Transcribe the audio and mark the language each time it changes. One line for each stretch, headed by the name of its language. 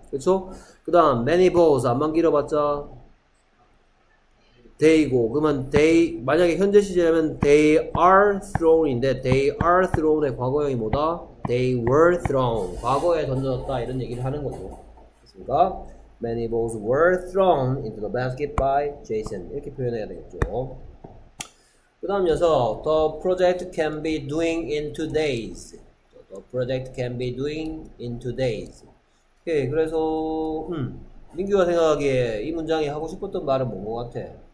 Korean: 그렇죠. 그 다음 many balls 안만 길어봤자 they고, 그러면 they 만약에 현재 시제라면
English: they are thrown
Korean: 인데 they are thrown의 과거형이 뭐다?
English: they were thrown.
Korean: 과거에 던져졌다 이런 얘기를 하는 거죠. 그렇습니까?
English: Many balls were thrown into the basket by Jason.
Korean: 이렇게 표현해야 되겠죠. 그 다음 여섯.
English: The project can be doing in 2 days. The project can be doing in 2 days. 오케이.
Korean: 그래서, 민규가 생각하기에 이 문장이 하고 싶었던 말은 뭔 것 같아?